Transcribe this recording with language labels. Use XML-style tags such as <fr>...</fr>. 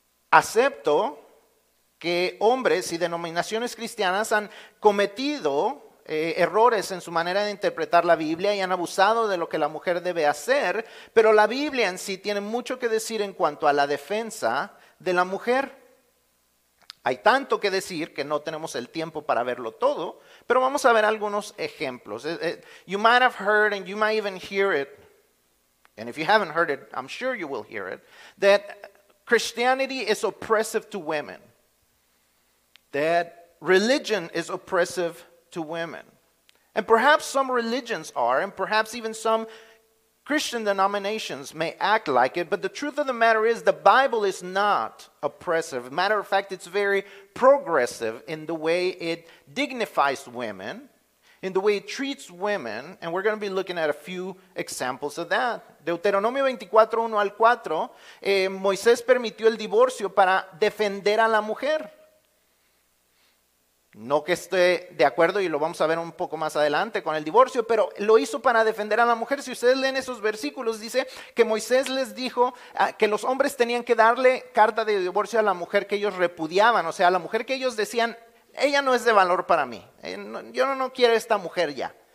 <es>Acepto que hombres y denominaciones cristianas han cometido errores en su manera de interpretar la Biblia y han abusado de lo que la mujer debe hacer, pero la Biblia en sí tiene mucho que decir en cuanto a la defensa de la mujer. Hay tanto que decir que no tenemos el tiempo para verlo todo, pero vamos a ver algunos ejemplos.</es> <en>You might have heard and you might even hear it, and if you haven't heard it, I'm sure you will hear it, that Christianity is oppressive to women. That religion is oppressive to women. And perhaps some religions are, and perhaps even some Christian denominations may act like it, but the truth of the matter is the Bible is not oppressive. Matter of fact, it's very progressive in the way it dignifies women, in the way it treats women, and we're going to be looking at a few examples of that.</en> <es>Deuteronomio 24, 1 al 4, Moisés permitió el divorcio para defender a la mujer. No que esté de acuerdo, y lo vamos a ver un poco más adelante, con el divorcio, pero lo hizo para defender a la mujer. Si ustedes leen esos versículos, dice que Moisés les dijo que los hombres tenían que darle carta de divorcio a la mujer que ellos repudiaban, o sea, a la mujer que ellos decían, ella no es de valor para mí, yo no quiero esta mujer ya.</es>